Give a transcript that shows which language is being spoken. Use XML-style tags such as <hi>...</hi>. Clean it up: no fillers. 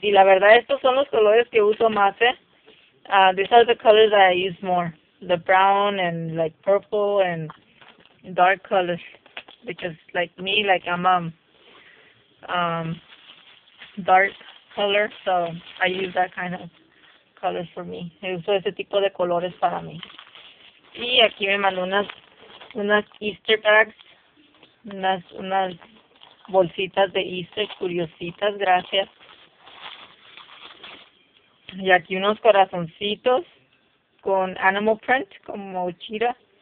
<es>Y la verdad, estos son los colores que uso más, ¿eh?</es> <en>These are the colors that I use more. The brown and like purple and dark colors. Because like me, like I'm a dark color. So I use that kind of colors for me.</en> <es>Yo uso ese tipo de colores para mí. Y aquí me mandó unas</es> <en>Easter bags.</en> <es>Unas bolsitas de Easter, curiositas, gracias. Y aquí unos corazoncitos con animal print, como chira.</es>